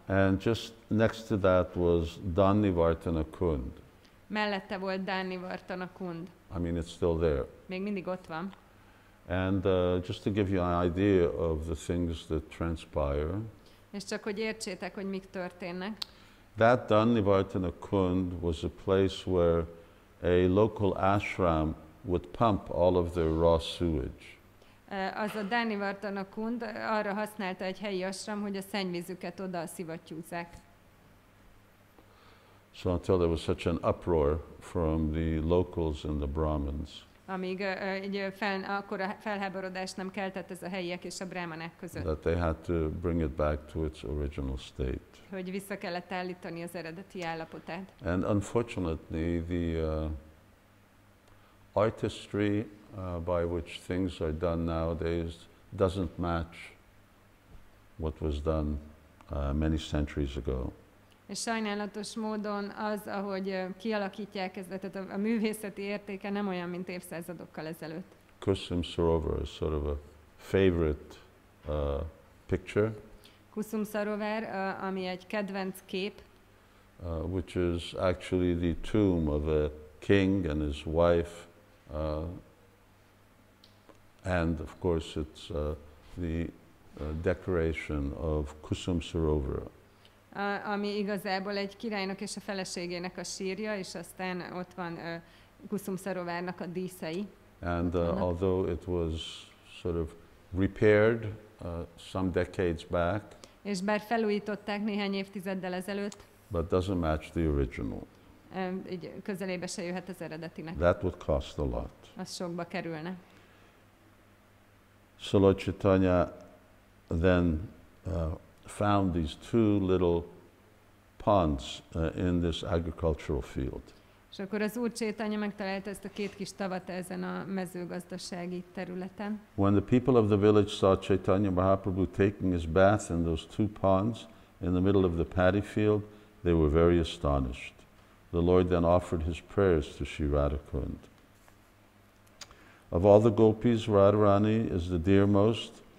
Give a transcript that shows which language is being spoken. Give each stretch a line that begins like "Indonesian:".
English: And just next to that was Dhanivartana Kund.
Hungarian: Mellette volt Dani Vartana Kund.
English: I mean, it's still there.
Hungarian: Még mindig ott van.
English: And just to give you an idea of the things that transpire.
Hungarian: És csak hogy értsétek, hogy mik történnek.
English: That Dani Vartana Kund was a place where a local ashram would pump all of their raw sewage.
Hungarian: Az a Dani Vartana Kund arra használta egy helyi ashram, hogy a szennyvízüket oda szivattyúzzák.
English: So until there was such an uproar from the locals and the Brahmins.
Hungarian: Amíg akkor a felháborodás nem keltett ez a helyiek és a brahmanek között.
English: That they had to bring it back to its original state.
Hungarian: Hogy vissza kellett állítani az eredeti állapotát.
English: And unfortunately, the artistry by which things are done nowadays doesn't match what was done many centuries ago.
Hungarian: És sajnálatos módon az, ahogy kialakítják ezeket, a művészeti értéke nem olyan, mint évszázadokkal ezelőtt.
English: Kusum Sarovar is sort of a favorite picture.
Hungarian: Kusum Sarovar, ami egy kedvenc kép.
English: Which is actually the tomb of a king and his wife. And of course it's the decoration of Kusum Sarovar.
Hungarian: Ami igazából egy királynak és a feleségének a sírja, és aztán ott van Kusum Sarovarnak a díszei.
English: And although it was sort of repaired some decades back,
Hungarian: és bár felújították néhány évtizeddel ezelőtt,
English: but doesn't match the original.
Hungarian: Így közelébe se jöhet az eredetinek.
English: That would cost a lot.
Hungarian: Az sokba kerülne.
English: So Lord Caitanya then found these two little ponds in this agricultural field.
Hungarian: És akkor az Úr Caitanya megtalálta ezt a két kis tavat ezen a mezőgazdasági területen.
English: When the people of the village saw Caitanya Mahaprabhu taking his bath in those two ponds in the middle of the paddy field, they were very astonished. The Lord then offered his prayers to Sri Radhakund. Of all the gopis, Radharani is the dearmost.